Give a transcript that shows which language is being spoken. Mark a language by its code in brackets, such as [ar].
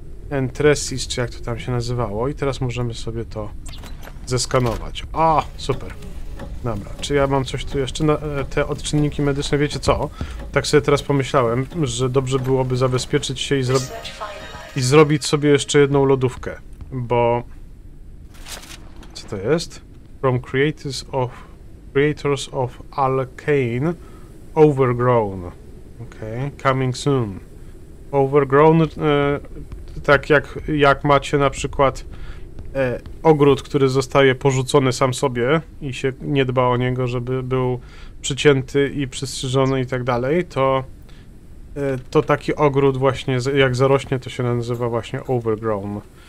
[pl] Entresis, czy jak to tam się nazywało. I teraz możemy sobie to zeskanować. O, super. Dobra, czy ja mam coś tu jeszcze? Te odczynniki medyczne, wiecie co? Tak sobie teraz pomyślałem, że dobrze byłoby zabezpieczyć się i zrobić sobie jeszcze jedną lodówkę. Bo... Co to jest? [en] From creators of Alcane Overgrown. Okay, coming soon. Overgrown... [pl] Tak jak macie na przykład ogród, który zostaje porzucony sam sobie i się nie dba o niego, żeby był przycięty i przystrzyżony i tak dalej, to taki ogród właśnie jak zarośnie, to się nazywa właśnie overgrown.